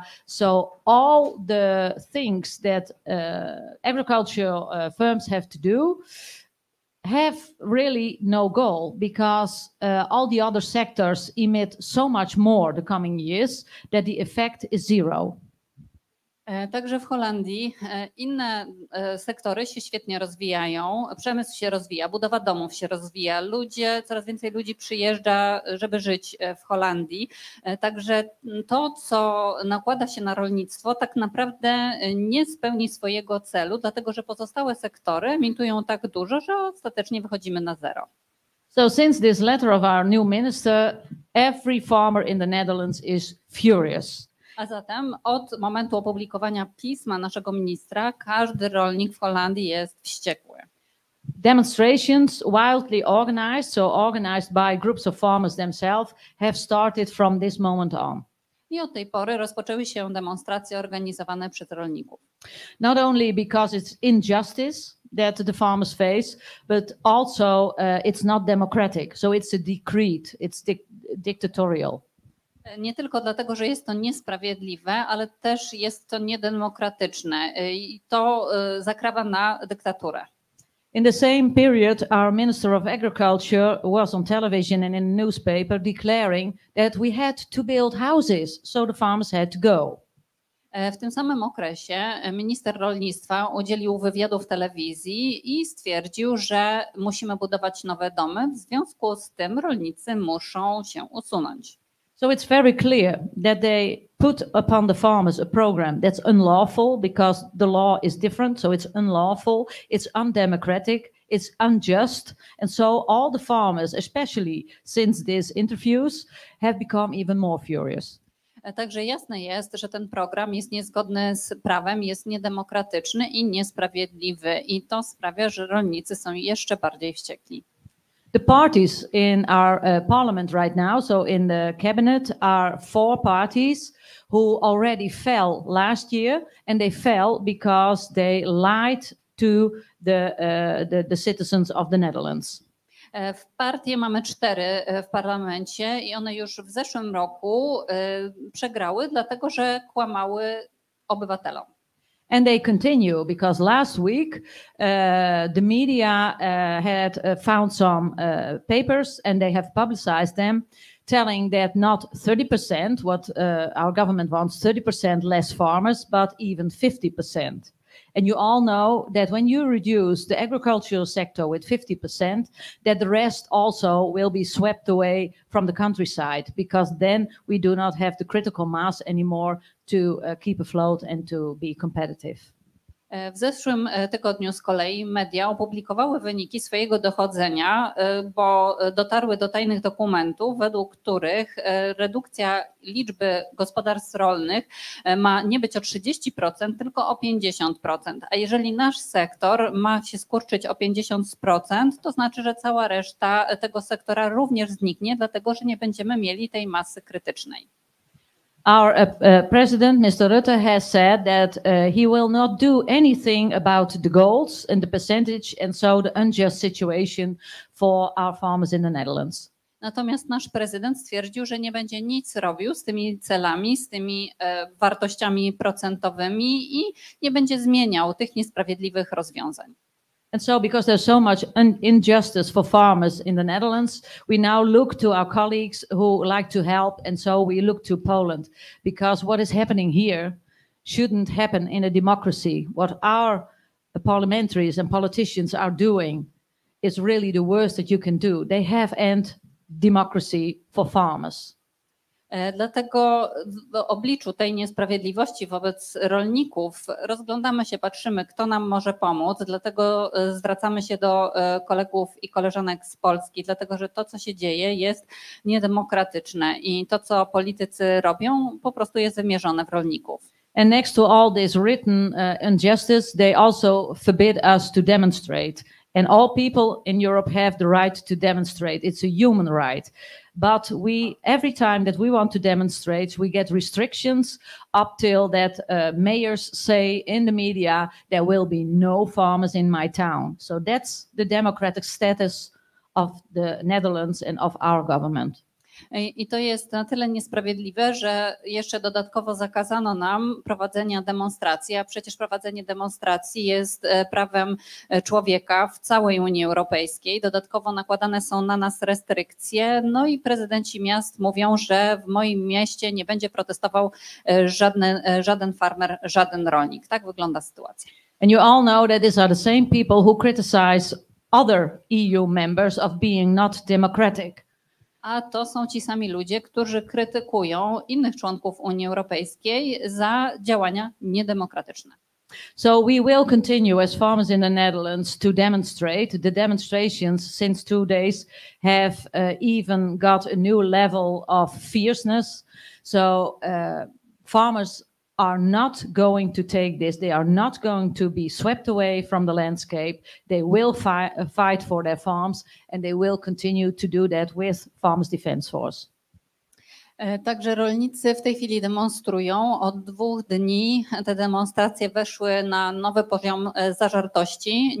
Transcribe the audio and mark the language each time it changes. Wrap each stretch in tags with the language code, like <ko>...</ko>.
<en>So all the things that agricultural firms have to do have really no goal, because all the other sectors emit so much more the coming years that the effect is zero.</en> <pl>Także w Holandii inne sektory się świetnie rozwijają, przemysł się rozwija, budowa domów się rozwija, ludzie, coraz więcej ludzi przyjeżdża, żeby żyć w Holandii. Także to, co nakłada się na rolnictwo, tak naprawdę nie spełni swojego celu, dlatego że pozostałe sektory emitują tak dużo, że ostatecznie wychodzimy na zero.</pl> <en>So since this letter of our new minister, every farmer in the Netherlands is furious.</en> <pl>A zatem od momentu opublikowania pisma naszego ministra każdy rolnik w Holandii jest wściekły.</pl> <en>Demonstrations wildly organized, so organized by groups of farmers themselves, have started from this moment on.</en> <pl>I od tej pory rozpoczęły się demonstracje organizowane przez rolników.</pl> <en>Not only because it's injustice that the farmers face, but also it's not democratic, so it's a decree, it's dictatorial.</en> <pl>Nie tylko dlatego, że jest to niesprawiedliwe, ale też jest to niedemokratyczne i to zakrawa na dyktaturę.</pl> <en>In the same period, our Minister of Agriculture was on television and in a newspaper declaring that we had to build houses, so the farmers had to go.</en> <pl>W tym samym okresie minister rolnictwa udzielił wywiadu w telewizji i stwierdził, że musimy budować nowe domy, w związku z tym rolnicy muszą się usunąć.</pl> <en>So it's very clear that they put upon the farmers a program that's unlawful, because the law is different, so it's unlawful, it's undemocratic, it's unjust, and so all the farmers, especially since these interviews, have become even more furious.</en> <pl>Także jasne jest, że ten program jest niezgodny z prawem, jest niedemokratyczny i niesprawiedliwy, i to sprawia, że rolnicy są jeszcze bardziej wściekli.</pl> <en>The parties in our parliament right now, so in the cabinet, are four parties who already fell last year, and they fell because they lied to the citizens of the Netherlands.</en> <pl>W partie mamy 4 w parlamencie i one już w zeszłym roku przegrały, dlatego że kłamały obywatelom.</pl> <en>And they continue because last week the media had found some papers and they have publicized them, telling that not 30%, what our government wants, 30% less farmers, but even 50%. And you all know that when you reduce the agricultural sector with 50%, that the rest also will be swept away from the countryside, because then we do not have the critical mass anymore to keep afloat and to be competitive.</en> <pl>W zeszłym tygodniu z kolei media opublikowały wyniki swojego dochodzenia, bo dotarły do tajnych dokumentów, według których redukcja liczby gospodarstw rolnych ma nie być o 30%, tylko o 50%. A jeżeli nasz sektor ma się skurczyć o 50%, to znaczy, że cała reszta tego sektora również zniknie, dlatego że nie będziemy mieli tej masy krytycznej.</pl> <en>Our president, Mr. Rutte, has said that he will not do anything about the goals and the percentage and so the unjust situation for our farmers in the Netherlands.</en> <pl>Natomiast nasz prezydent stwierdził, że nie będzie nic robił z tymi celami, z tymi wartościami procentowymi i nie będzie zmieniał tych niesprawiedliwych rozwiązań.</pl> <en>And so because there's so much injustice for farmers in the Netherlands, we now look to our colleagues who like to help, and so we look to Poland, because what is happening here shouldn't happen in a democracy. What our parliamentaries and politicians are doing is really the worst that you can do. They have end democracy for farmers.</en> <pl>Dlatego w obliczu tej niesprawiedliwości wobec rolników rozglądamy się, patrzymy, kto nam może pomóc, dlatego zwracamy się do kolegów i koleżanek z Polski, dlatego że to, co się dzieje, jest niedemokratyczne i to, co politycy robią, po prostu jest wymierzone w rolników.</pl> <en>And next to all this written injustice, they also forbid us to demonstrate. And all people in Europe have the right to demonstrate. It's a human right. But we, every time that we want to demonstrate, we get restrictions up till that mayors say in the media, there will be no farmers in my town. So that's the democratic status of the Netherlands and of our government.</en> <pl>I to jest na tyle niesprawiedliwe, że jeszcze dodatkowo zakazano nam prowadzenia demonstracji, a przecież prowadzenie demonstracji jest prawem człowieka w całej Unii Europejskiej. Dodatkowo nakładane są na nas restrykcje, no i prezydenci miast mówią, że w moim mieście nie będzie protestował żaden farmer, żaden rolnik. Tak wygląda sytuacja.</pl> <en>And you all know that these are the same people who criticize other EU members of being not democratic.</en> <pl>A to są ci sami ludzie, którzy krytykują innych członków Unii Europejskiej za działania niedemokratyczne.</pl> <en>So we will continue as farmers in the Netherlands to demonstrate. The demonstrations since 2 days have even got a new level of fierceness. So farmers are not going to take this. They are not going to be swept away from the landscape. They will fight for their farms and they will continue to do that with Farmers Defence Force.</en> <pl>Także rolnicy w tej chwili demonstrują. Od 2 dni te demonstracje weszły na nowy poziom zażartości.</pl>